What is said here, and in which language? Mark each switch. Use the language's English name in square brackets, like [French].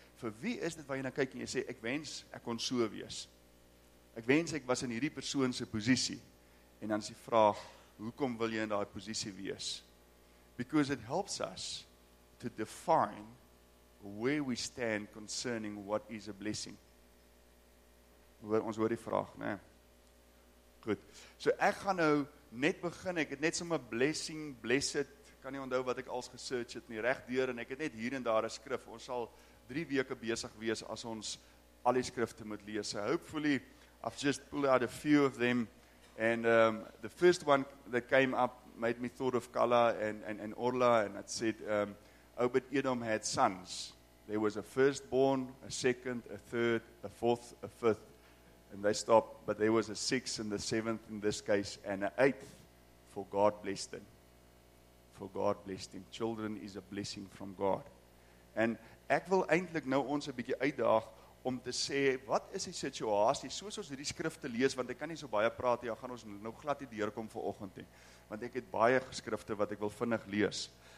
[Afrikaans] Vir wie is dit waar jy na kyk en jy sê, ek wens ek kon so wees. Ek wens ek was in hierdie persoon se posisie. En dan is die vraag, hoekom wil jy in daai posisie wees? [English] Because it helps us to define where we stand concerning what is a blessing. [Afrikaans] Ons hoor die vraag, né? Goed. So ek gaan nou net begin. Ek het net so 'n blessing, blessed, kan nie onthou wat ek als gesearch het nie, regdeur, en ek het net hier en daar 'n skrif. Ons sal 3 weke besig wees as ons al die skrifte moet lees. [English] So hopefully I've just pulled out a few of them, and the first one that came up made me thought of Kala and Orla, and it said Obed-Edom had sons. There was a firstborn, a second, a third, a fourth, a fifth. And they stopped, but there was a sixth and the seventh in this case, and an eighth, for God blessed them. For God blessed them. Children is a blessing from God. [Afrikaans] And ek wil eintlik nou ons 'n bietjie uitdaag om te sê, wat is die situasie, soos ons hierdie skrifte lees, want ek kan nie so baie praat, ja, gaan ons nou glad nie deurkom vanoggend nie, want ek het baie geskrifte wat ek wil vinnig lees.